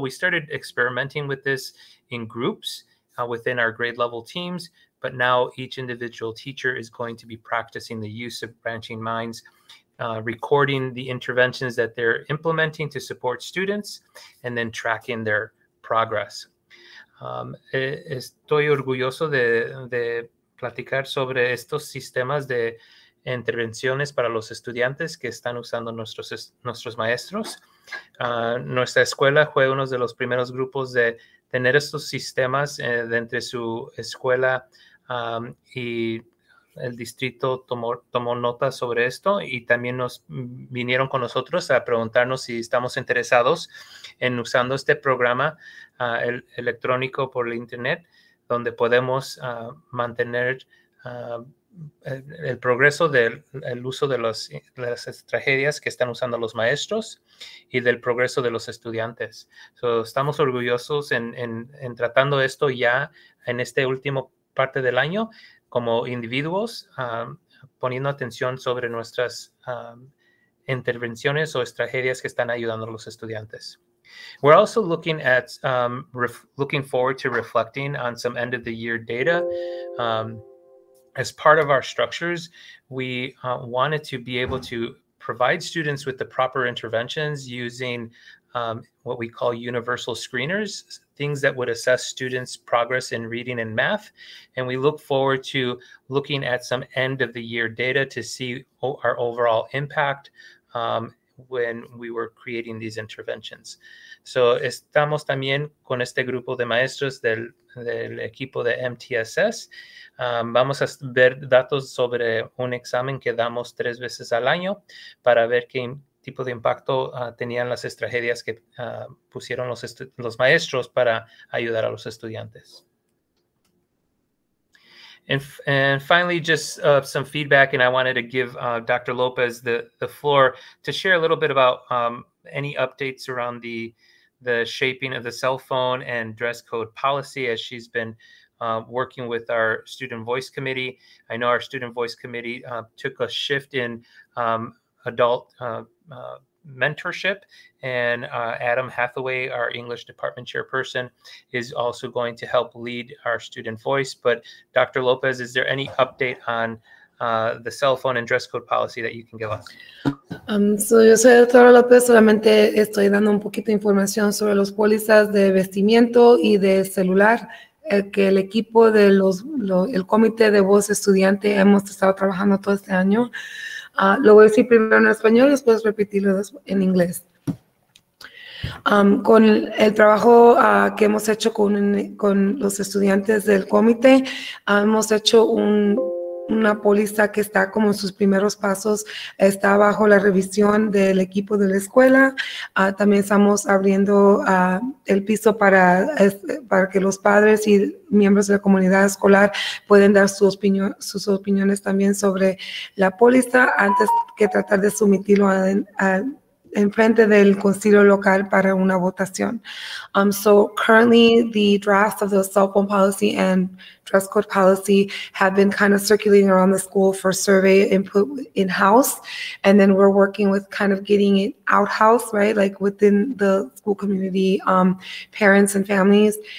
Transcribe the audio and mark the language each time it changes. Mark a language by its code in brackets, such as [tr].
[en] We started experimenting with this in groups within our grade level teams, but now each individual teacher is going to be practicing the use of Branching Minds, recording the interventions that they're implementing to support students, and then tracking their progress. [es] Estoy orgulloso de platicar sobre estos sistemas de intervenciones para los estudiantes que están usando nuestros maestros. Nuestra escuela fue uno de los primeros grupos de tener estos sistemas de entre su escuela y el distrito tomó nota sobre esto y también nos vinieron con nosotros a preguntarnos si estamos interesados en usando este programa electrónico por el internet, donde podemos mantener el progreso del uso de las estrategias que están usando los maestros y del progreso de los estudiantes. So, estamos orgullosos en tratando esto ya en este último parte del año como individuos, poniendo atención sobre nuestras intervenciones o estrategias que están ayudando a los estudiantes. [en] We're also looking at looking forward to reflecting on some end of the year data. As part of our structures, we wanted to be able to provide students with the proper interventions using what we call universal screeners, things that would assess students' progress in reading and math. And we look forward to looking at some end of the year data to see our overall impact when we were creating these interventions. [es] So estamos también con este grupo de maestros del equipo de MTSS. Vamos a ver datos sobre un examen que damos tres veces al año para ver qué tipo de impacto tenían las estrategias que pusieron los maestros para ayudar a los estudiantes. [en] And finally, just some feedback, and I wanted to give Dr. Lopez the floor to share a little bit about any updates around the shaping of the cell phone and dress code policy as she's been working with our student voice committee. I know our student voice committee took a shift in adult mentorship, and Adam Hathaway, our English department chairperson, is also going to help lead our student voice. But Dr. Lopez, is there any update on the cell phone and dress code policy that you can give us? [es] So, yo soy Dr. Lopez, solamente estoy dando un poquito de información sobre los pólizas de vestimiento y de celular, que el equipo de el comité de voz estudiante hemos estado trabajando todo este año. Lo voy a decir primero en español, después repetirlo en inglés. Con el trabajo que hemos hecho con los estudiantes del comité, hemos hecho una póliza que está como en sus primeros pasos, está bajo la revisión del equipo de la escuela. También estamos abriendo el piso para que los padres y miembros de la comunidad escolar puedan dar sus opiniones también sobre la póliza antes que tratar de sumitirlo en frente del concilio local para una votación. [en] So currently the drafts of the cell phone policy and dress code policy have been kind of circulating around the school for survey input in-house. And then we're working with kind of getting it out-house, right? Like within the school community, parents and families.